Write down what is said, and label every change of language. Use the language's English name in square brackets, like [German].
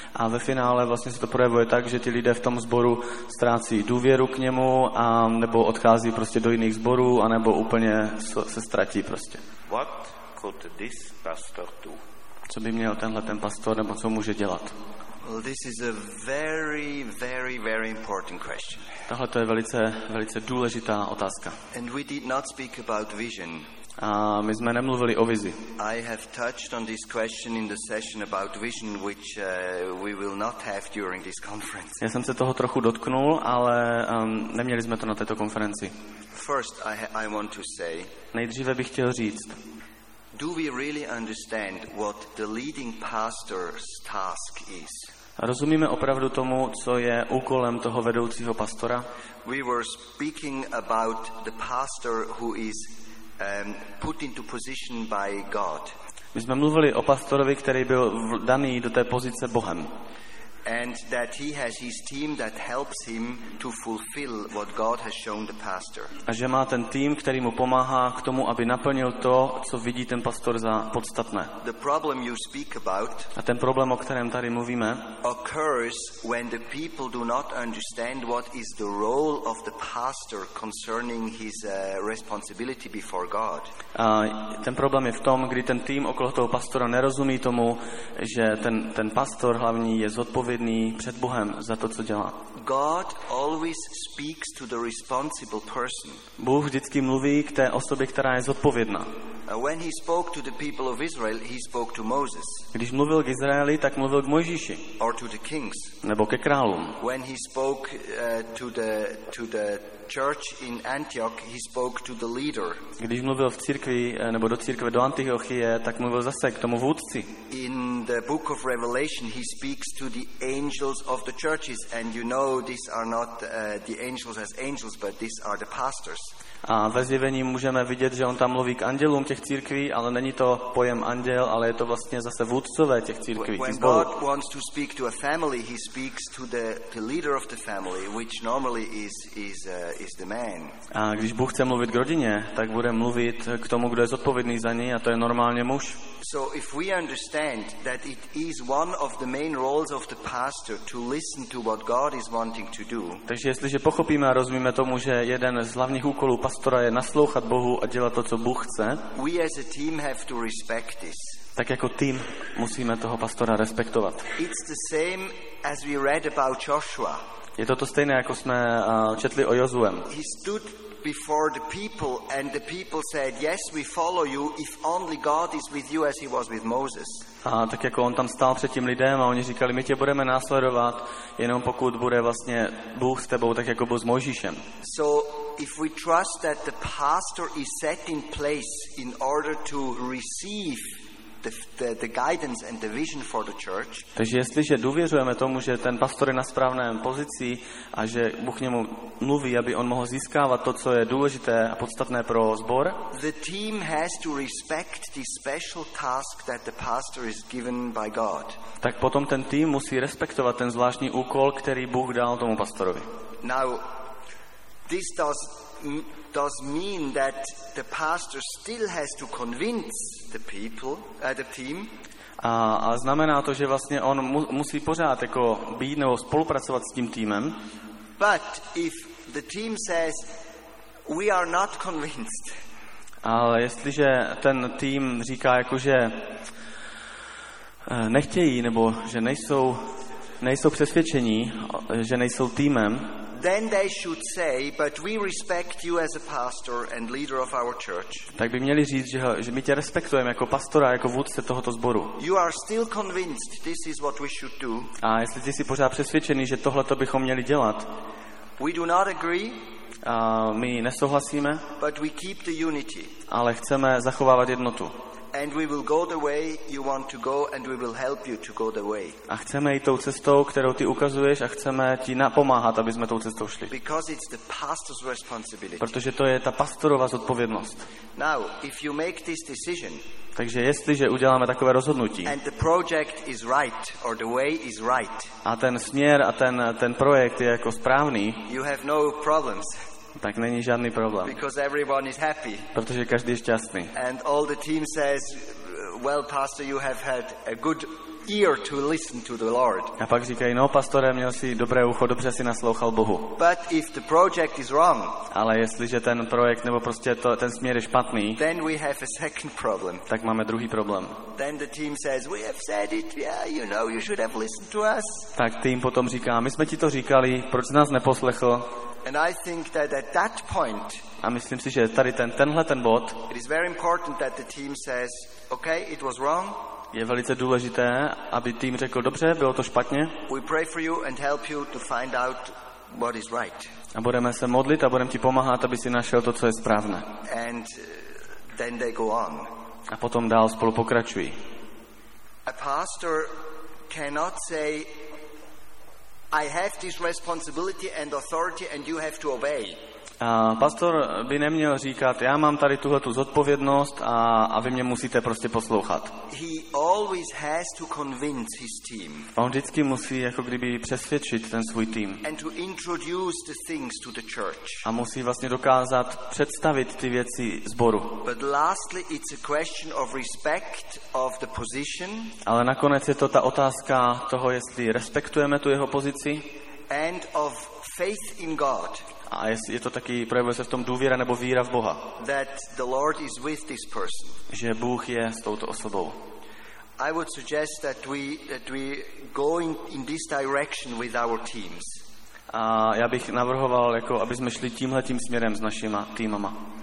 [Czech] A ve finále vlastně se to projevuje tak, že ti lidé v tom sboru ztrácí důvěru k němu a nebo odchází prostě do jiných sborů a nebo úplně se ztratí prostě. [English] What could this pastor do? [Czech] Co by měl tenhle ten pastor nebo co může dělat? [English] Well, this is a very, very, very important question. [Czech] Tohle to je velice, velice důležitá otázka. [English] And we did not speak about vision. [Czech] A my jsme nemluvili o vizi. [English] I have touched on this question in the session about vision which we will not have during this conference. [Czech] Já jsem se toho trochu dotknul, ale neměli jsme to na této konferenci. [English] First I want to say. [Czech] Nejdříve bych chtěl říct. [English] do we really understand what the leading pastor's task is? [Czech] Rozumíme opravdu tomu, co je úkolem toho vedoucího pastora? [English] We were speaking about the pastor who is put into position by God. [Czech] My jsme mluvili o pastorovi, který byl daný do té pozice Bohem. [English] And that he has his team that helps him to fulfill what God has shown the pastor. [Czech] A že má ten tým, který mu pomáhá k tomu, aby naplnil to, co vidí ten pastor za podstatné. [English] The problem you speak about, [Czech] a ten problém, o kterém tady mluvíme, [English] occurs when the people do not understand what is the role of the pastor concerning his responsibility before God. [Czech] A ten problém je v tom, kdy ten tým okolo toho pastora nerozumí tomu, že ten pastor hlavní je zodpovědný před Bohem za to, co dělá. [English] God always speaks to the responsible person. [Czech] Bůh vždycky mluví k té osobě, která je zodpovědná. [English] When he spoke to the people of Israel, he spoke to Moses. [Czech] Když mluvil k Izraeli, tak mluvil k Mojžíši. [English] Or to the kings. [Czech] Nebo ke králům. [English] When he spoke to the church in Antioch, he spoke to the leader. [Czech] Když mluvil v církvi nebo do církve do Antiochie, tak mluvil zase k tomu vůdci. [English] In the book of Revelation, he speaks to the angels of the churches, and you know these are not the angels as angels, but these are the pastors. [Czech] A ve zjevení můžeme vidět, že on tam mluví k andělům těch církví, ale není to pojem anděl, ale je to vlastně zase vůdcové těch církví, těch zborů. [English] When God wants to speak to a family, he speaks to the leader of the family, which normally is the man. [Czech] A když Bůh chce mluvit k rodině, tak bude mluvit k tomu, kdo je zodpovědný za ní, a to je normálně muž. [English] So if we understand that it is one of the main roles of the pastor to listen to what God is wanting to do. [Czech] Takže jestliže pochopíme a rozumíme tomu, že jeden z hlavních úkolů pastora je naslouchat Bohu a dělat to, co Bůh chce. [English] We as a team have to respect this. [Czech] Tak jako tým musíme toho pastora respektovat. [English] It's the same as we read about Joshua. [Czech] Je to stejné, jako jsme četli o Jozuem. [English] He stood before the people and the people said, yes, we follow you if only God is with you as he was with Moses. [Czech] A tak jako on tam stál před tím lidem a oni říkali, my tě budeme následovat, jenom pokud bude vlastně Bůh s tebou, tak jako byl s Mojžíšem. [English] So if we trust that the pastor is set in place in order to receive the guidance and the vision for the church. [Czech] Takže jestliže důvěřujeme tomu, že ten pastor je na správné pozici a že Bůh němu mluví, aby on mohl získávat to, co je důležité a podstatné pro sbor. [English] The team has to respect the special task that the pastor is given by God. [Czech] Tak potom ten tým musí respektovat ten zvláštní úkol, který Bůh dal tomu pastorovi. [English] Now this does mean that the pastor still has to convince the people at the team. [Czech] A znamená to, že vlastně on musí pořád jako být nebo spolupracovat s tím týmem. [English] But if the team says we are not convinced. [Czech] Ale jestliže ten tým říká jako že nechtějí nebo že nejsou přesvědčení, že nejsou týmem. [English] Then they should say, but we respect you as a pastor and leader of our church. [Czech] Tak by měli říct, že my tě respektujeme jako pastora, jako vůdce tohoto sboru. [English] You are still convinced this is what we should do. [Czech] A jestli ty jsi pořád přesvědčený, že tohle to bychom měli dělat. [English] We do not agree. [Czech] A my nesouhlasíme. [English] But we keep the unity. [Czech] Ale chceme zachovávat jednotu. [English] And we will go the way you want to go and we will help you to go the way. [Czech] A chceme jít tou cestou, kterou ty ukazuješ a chceme ti napomáhat, aby jsme tou cestou šli. [English] Because it's the pastor's responsibility. [Czech] Protože to je ta pastorova zodpovědnost. [English] Now, if you make this decision, [Czech] takže jestliže uděláme takové rozhodnutí [English] and the project is right, or the way is right, [Czech] a ten směr a ten projekt je jako správný, [English] you have no problems. [Czech] Tak není žádný problém. [English] Because everyone is happy. [Czech] Protože každý je šťastný. [English] And all the team says, well, pastor, you have had a good ear to listen to the Lord. [Czech] A pak říkají, no, pastore, měl jsi dobré ucho, dobře jsi naslouchal Bohu. [English] But if the project is wrong, [Czech] ale jestliže ten projekt nebo prostě to, ten směr je špatný, [English] then we have a second problem. [Czech] Tak máme druhý problém. [English] Then the team says, we have said it, yeah, you know, you should have listened to us. [Czech] Tak tým potom říká, my jsme ti to říkali, proč jsi nás neposlechl? [English] And I think that at that point, [Czech] a myslím si, že tady tenhle ten bod, [English] it is very important that the team says, okay, it was wrong. [Czech] Je velice důležité, aby tým řekl, dobře, bylo to špatně. [English] We pray for you and help you to find out what is right. [Czech] A budeme se modlit a budeme ti pomáhat, aby si našel to, co je správné. [English] And then they go on. [Czech] A potom dál spolu pokračují. [English] A pastor cannot say I have this responsibility and authority and you have to obey. [Czech] A pastor by neměl říkat, já mám tady tuhle tu zodpovědnost a vy mě musíte prostě poslouchat. [English] He always has to convince his team. [Czech] On vždycky musí jako kdyby přesvědčit ten svůj tým. [English] And to introduce the things to the church. [Czech] A musí vlastně dokázat představit ty věci zboru. [English] But lastly, it's a question of respect of the position. [Czech] Ale nakonec je to ta otázka toho, jestli respektujeme tu jeho pozici. [English] And of faith in God. [Czech] A je to taky, projevuje se v tom důvěra nebo víra v Boha. [English] That the Lord is with this person. [Czech] Že Bůh je s touto osobou. [English] I would suggest that we go in this direction with our teams. [Czech] A já bych navrhoval, jako, aby jsme šli tímhle tím směrem s našima týmama.